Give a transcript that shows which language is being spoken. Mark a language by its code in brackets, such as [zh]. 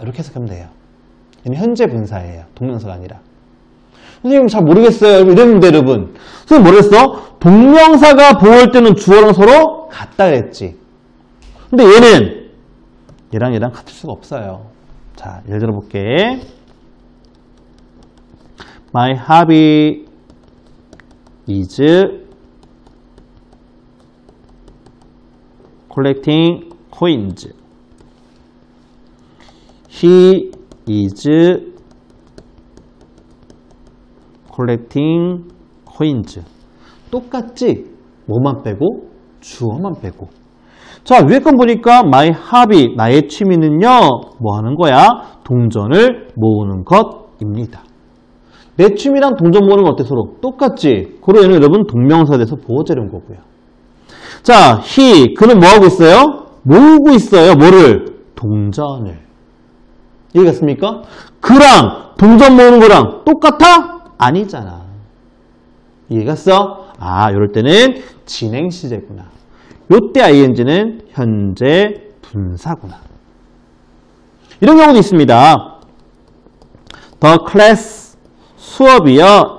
[ko] 이렇게 해석하면 돼요. 얘는 현재 분사예요. 동명사가 아니라. 선생님 잘 모르겠어요. 이랬는데 여러분. 선생님 모르겠어? 동명사가 보호할 때는 주어랑 서로 같다 그랬지. 근데 얘는 얘랑 얘랑 같을 수가 없어요. 자, 예를 들어 볼게. [en] My hobby is collecting coins. He is collecting coins. [ko] 똑같지? 뭐만 빼고? 주어만 빼고. 자, 위에 건 보니까 [en] my hobby, [ko] 나의 취미는요, 뭐 하는 거야? 동전을 모으는 것입니다. 내 취미랑 동전 모으는 건 어때 서로? 똑같지? 그러 얘는 여러분 동명사 돼서 보호자료인 거고요. 자, he, 그는 뭐하고 있어요? 모으고 있어요. 뭐를? 동전을. 이해 갔습니까? 그랑 동전 모으는 거랑 똑같아? 아니잖아. 이해 갔어? 아, 이럴 때는 진행시제구나. 요때 ing는 현재 분사구나. 이런 경우도 있습니다. [en] The class [ko] 수업이요.